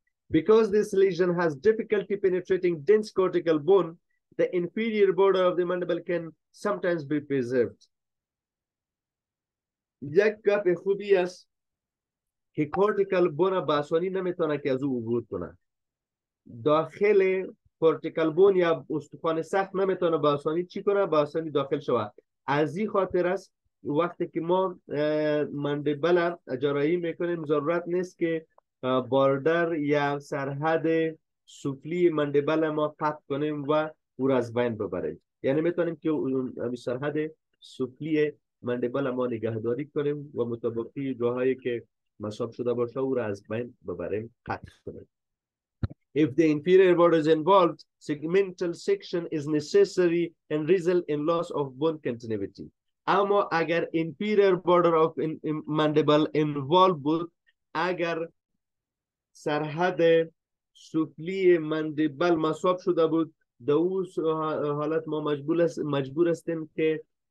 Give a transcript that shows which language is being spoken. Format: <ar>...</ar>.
<en>Because this lesion has difficulty penetrating dense cortical bone, the inferior border of the mandible can sometimes be preserved.</en> <fa>یک گپ خوبی است که کورتیکال بون به آسانی نمیتونه که از او عبور کنه. داخل کورتیکال بون یا استخوان سخت نمیتونه به آسانی چی کنه؟ به آسانی داخل شوه. از این خاطر است وقتی که ما مندبل جراحی میکنیم، ضرورت نیست که باردر یا سرحد سفلی مندبل ما قطع کنیم و او را از بین ببریم، یعنی میتونیم که سرحد سفلی مندبل ما نگهداری کنیم و مطابقی جاهایی که مصاب شده باشه او را از بین ببریم، قطع کنیم.</fa> <en>If the inferior border is involved, segmental section is necessary and result in loss of bone continuity.</en> <fa>اما اگر</fa> <en>inferior border of mandible involved</en> <fa>بود، اگر سرحد سفلی مندبل مصاب شده بود، در اون حالت ما مجبور هستیم که</fa>